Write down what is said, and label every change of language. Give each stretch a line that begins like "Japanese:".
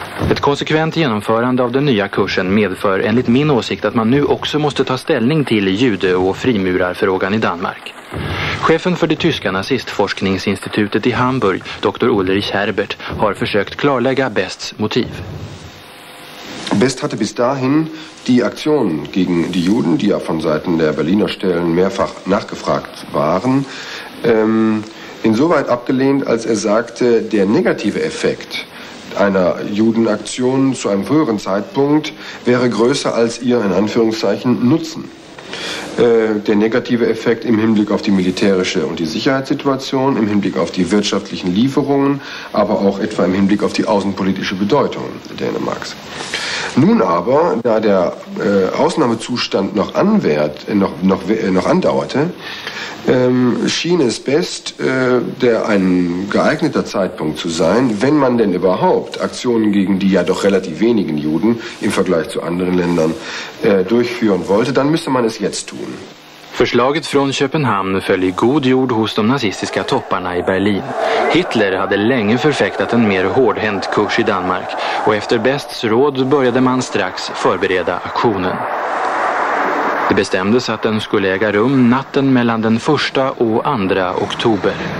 Swedish: Ett konsekvent genomförande av den nya kursen medför enligt min åsikt att man nu också måste ta ställning till jude- och frimurarfrågan i Danmark. Chefen för det tyska nazistforskningsinstitutet i Hamburg, Dr. Ulrich Herbert, har försökt klarlägga Bests motiv.
German: Best hatte bis dahin die Aktion gegen die Juden, die ja von Seiten der Berliner Stellen mehrfach nachgefragt waren, insoweit abgelehnt, als er sagte, der negative Effekt einer Judenaktion zu einem früheren Zeitpunkt wäre größer als ihr in Anführungszeichen Nutzen. Der negative Effekt im Hinblick auf die militärische und die Sicherheitssituation, im Hinblick auf die wirtschaftlichen Lieferungen, aber auch etwa im Hinblick auf die außenpolitische Bedeutung Dänemarks. Nun aber, da der Ausnahmezustand noch andauerte, schien es best, ein geeigneter Zeitpunkt zu sein, wenn man denn überhaupt Aktionen gegen die ja doch relativ wenigen Juden im Vergleich zu anderen Ländern durchführen wollte, dann müsste man es jetzt tun.
Swedish: Förslaget från Köpenhamn föll i god jord hos de nazistiska topparna i Berlin. Hitler hade länge förfäktat en mer hårdhänt kurs i Danmark och efter Bests råd började man strax förbereda aktionen. Det bestämdes att den skulle äga rum natten mellan den 1 och 2 oktober.